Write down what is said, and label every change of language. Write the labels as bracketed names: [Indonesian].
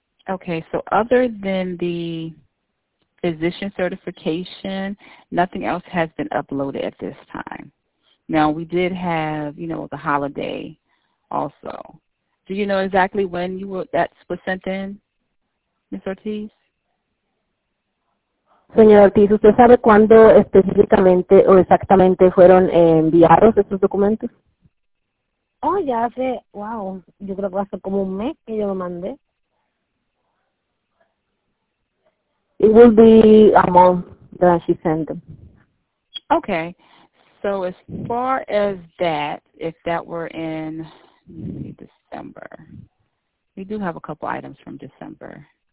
[English] Okay, so other than the physician certification, nothing else has been uploaded at this time. Now, we did have, the holiday also. Do you know exactly when that was sent in, Ms. Ortiz? [Spanish] Señora Ortiz, ¿usted sabe cuándo específicamente o exactamente fueron enviados estos documentos? Oh, ya hace, yo creo que hace como un mes que yo lo mandé. [English] It will be a month that she sent them. Okay. So as far as that, if that were in December, we do have a couple items from December.